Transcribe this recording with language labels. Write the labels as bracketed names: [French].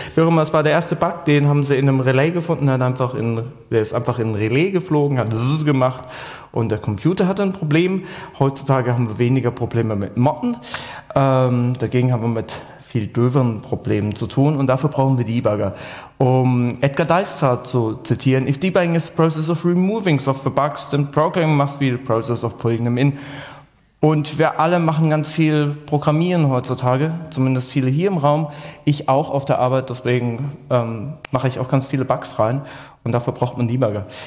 [German] Wie auch immer, es war der erste Bug, den haben sie in einem Relay gefunden. Der ist einfach in ein Relay geflogen, hat zzzz gemacht und der Computer hatte ein Problem. Heutzutage haben wir weniger Probleme mit Motten. Dagegen haben wir mit viel döveren Problemen zu tun und dafür brauchen wir Debugger. Um Edgar Dijkstra zu zitieren, [English] if debugging is the process of removing software bugs, then programming must be the process of putting them in. [German] Und wir alle machen ganz viel Programmieren heutzutage, zumindest viele hier im Raum, ich auch auf der Arbeit, deswegen mache ich auch ganz viele Bugs rein und dafür braucht man Debugger.